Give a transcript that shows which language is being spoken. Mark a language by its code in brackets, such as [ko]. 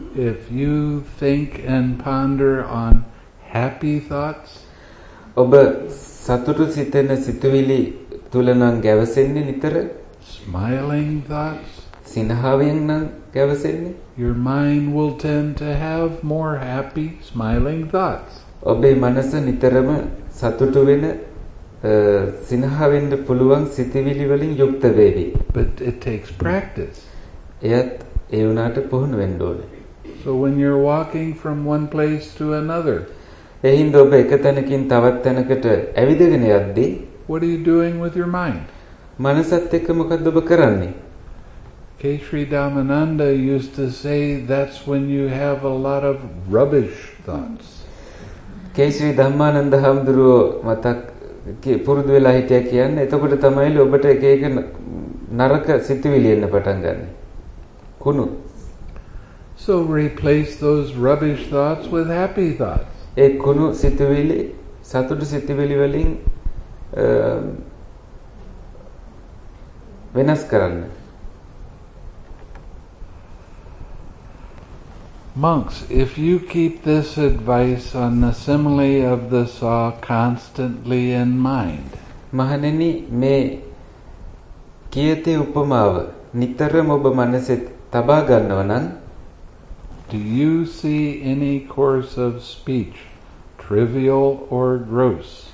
[en] If you think and ponder on happy thoughts, [si] ඔබ සතුටු සිතන සිතුවිලි තුල නම් ගැවසෙන්නේ නිතර. [en] Smiling thoughts, [si] සිනහවෙන් නම් ගැවසෙන්නේ. [en] Your mind will tend to have more happy, smiling thoughts. [si] ඔබේ මනස නිතරම සතුටු වෙන සිනහවෙන්න පුළුවන් සිතවිලි වලින් යුක්ත වෙවි. [en] But it takes practice. [si] එයත් ඒ වුණාට පුහුණු වෙන්න ඕනේ. [en] So when you're walking from one place to another, [si] එහින්ද ඔබ එක තැනකින් තවත් තැනකට ඇවිදගෙන යද්දී, [en] what are you doing with your mind? [si] මනසත් එක්ක මොකද ඔබ කරන්නේ? [en] Keshri Damananda used to say that's when you have a lot of rubbish thoughts. [si] කේශරි Dhammananda හැඳුරුව මතක් පුරුදු වෙලා හිටියා කියන්නේ එතකොට තමයි ඔබට එක එක නරක සිතුවිලි එන්න පටන් ගන්න. කුණු. [en] So replace those rubbish thoughts with happy thoughts. [si] ඒ කුණු සිතුවිලි සතුටු සිතුවිලි වලින් වෙනස් කරන්න. [en] Monks, if you keep this advice on the simile of the saw constantly in mind, [si] මහණෙනි මේ කීයේ උපමාව නිතරම ඔබ මනසෙත් තබා ගන්නවා නම්, [en] do you see any course of speech trivial or gross?